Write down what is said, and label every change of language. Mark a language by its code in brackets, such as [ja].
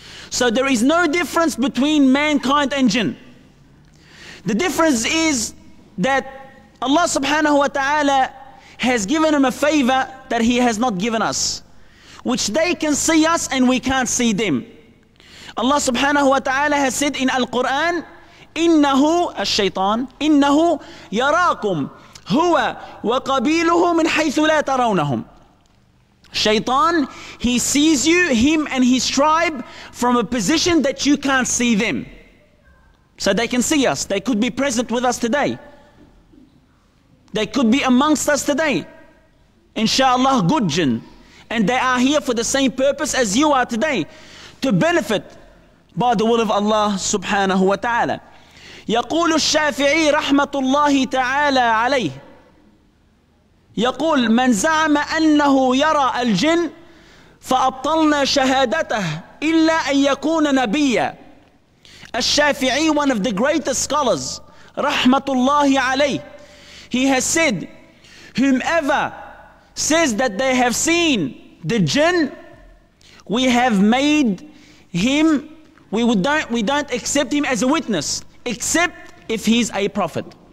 [en] So there is no difference between mankind and jinn. The difference is that Allah subhanahu wa ta'ala has given him a favor that he has not given us, which they can see us and we can't see them. Allah subhanahu wa ta'ala has said in Al-Quran, [ar] إنه الشيطان إنه يراكم هو وقبيله من حيث لا ترونهم. [en] Shaitan, he sees you, him and his tribe, from a position that you can't see them. So they can see us. They could be present with us today. They could be amongst us today. Inshallah, good jinn. And they are here for the same purpose as you are today, to benefit by the will of Allah subhanahu wa ta'ala. [ar] يقول الشافعي رحمة الله تعالى عليه يقول من زعم أنه يرى الجن فأبطلنا شهادته إلا أن يكون نبيا. [en] الشافعي, one of the greatest scholars, [ar] رحمة الله عليه, [en] he has said, whomever says that they have seen the jinn, we have made him, we don't accept him as a witness, except if he's a prophet.